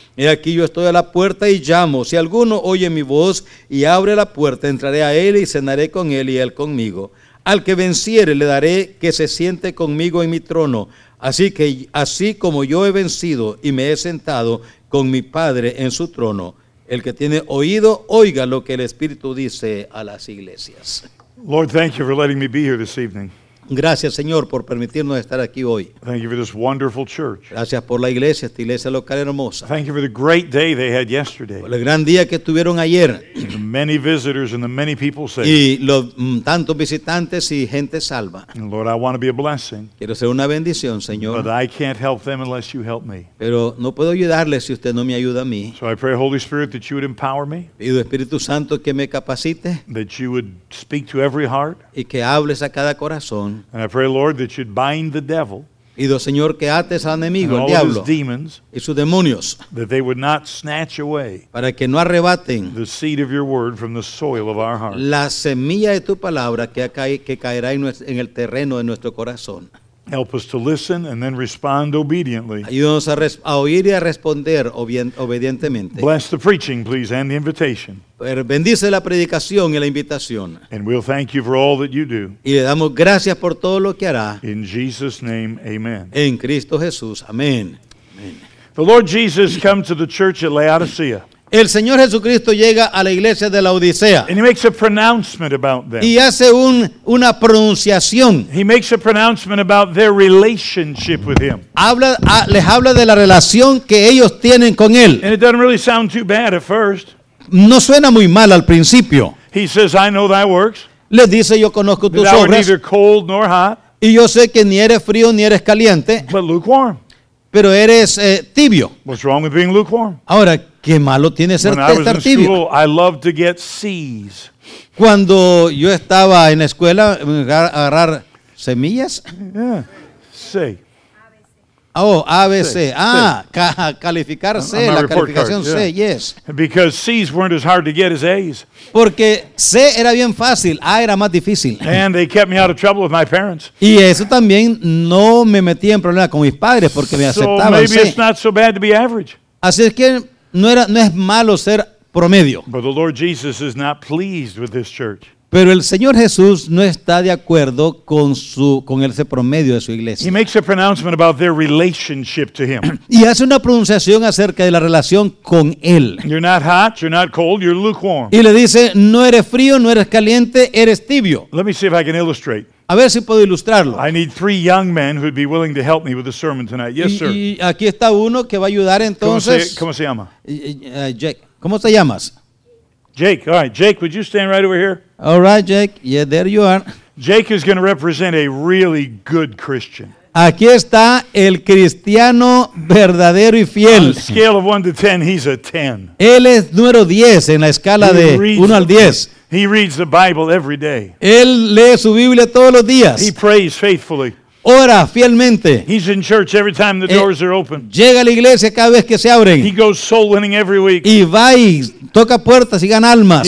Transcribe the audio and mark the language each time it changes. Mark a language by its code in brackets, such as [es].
[es] He aquí yo estoy a la puerta y llamo. Si alguno oye mi voz y abre la puerta, entraré a él y cenaré con él y él conmigo. Al que venciere le daré que se siente conmigo en mi trono, Así como yo he vencido y me he sentado con mi Padre en su trono, el que tiene oído, oiga lo que el Espíritu dice a las iglesias. [en] Lord, thank you for letting me be here this evening. [es] Gracias, Señor, por permitirnos estar aquí hoy. [en] Thank you for this wonderful church. [es] Gracias por la iglesia, esta iglesia local hermosa. [en] Thank you for the great day they had yesterday. [es] Por el gran día que tuvieron ayer. [en] The many visitors and the many people saved. [es] Y los tantos visitantes y gente salva. [en] And Lord, I want to be a blessing. [es] Quiero ser una bendición, Señor. [en] But I can't help them unless you help me. [es] Pero no puedo ayudarles si usted no me ayuda a mí. [en] So I pray, Holy Spirit, that you would empower me. [es] Pido Espíritu Santo que me capacite. [en] That you would speak to every heart. [es] Y que hables a cada corazón. [en] And I pray, Lord, that you'd bind the devil and all of his demons, [es] y sus demonios, [en] that they would not snatch away [es] para que no arrebaten [en] the seed of your word from the soil of our heart. [es] La semilla de tu palabra que caerá en el terreno de nuestro corazón. [en] Help us to listen and then respond obediently. [es] Ayúdanos a oír y a responder obedientemente. [en] Bless the preaching, please, and the invitation. [es] Bendice la predicación y la invitación. [en] And we'll thank you for all that you do. [es] Y le damos gracias por todo lo que hará. [en] In Jesus' name, amen. [es] En Cristo Jesús, amén. [en] The Lord Jesus came to the church at Laodicea. [es] El Señor Jesucristo llega a la iglesia de la Odisea. [en] And he makes a pronouncement about them. [es] Y hace una pronunciación. [en] He makes a pronouncement about their relationship with him. [es] Les habla de la relación que ellos tienen con él. [en] And it doesn't really sound too bad at first. [es] No suena muy mal al principio. [en] He says, I know thy works. [es] Les dice, yo conozco tus obras. [en] That thou art neither cold nor hot. [es] Y yo sé que ni eres frío ni eres caliente. [en] But lukewarm. [es] Pero eres tibio. [en] What's wrong with being lukewarm? [es] Ahora, qué malo tiene ser estar tibio. [en] School, I loved to get C's. [es] Cuando yo estaba en la escuela, agarrar semillas. [en] Yeah. C. [es] Oh, ABC. Ah, calificar C, la calificación C, [en] yeah. Yes. Because C's weren't as hard to get as A's. [es] Porque C era bien fácil, A era más difícil. [en] And they kept me out of trouble with my parents. [es] Y eso también no me metía en problemas con mis padres porque me aceptaban. [en] So maybe it's not so bad to be average. [es] Así es que no es malo ser promedio. [en] But the Lord Jesus is not pleased with this church. [es] Pero el Señor Jesús no está de acuerdo con ese promedio de su iglesia. [en] He makes a pronouncement about their relationship to him. [es] Y hace una pronunciación acerca de la relación con él. [en] You're not hot, you're not cold, you're lukewarm. [es] Y le dice, no eres frío, no eres caliente, eres tibio. [en] Let me see if I can illustrate. [es] A ver si puedo ilustrarlo. [en] I need three young men who'd be willing to help me with the sermon tonight. Yes, sir. [es] Y aquí está uno que va a ayudar entonces. ¿Cómo se llama? Jake. ¿Cómo te llamas? Jake. [en] All right, Jake, would you stand right over here? All right, Jake. Yeah, there you are. Jake is going to represent a really good Christian. [es] Aquí está el cristiano verdadero y fiel. [en] On a scale of 1 to 10, he's a 10. [es] Él es número 10 en la escala de 1 al 10. [en] He reads the Bible every day. [es] Él lee su Biblia todos los días. [en] He prays faithfully. [es] Ora fielmente. [en] He's in church every time the doors are open. [es] Llega a la iglesia cada vez que se abren. [en] He goes soul winning every week. [es] Y va y toca puertas y gana almas.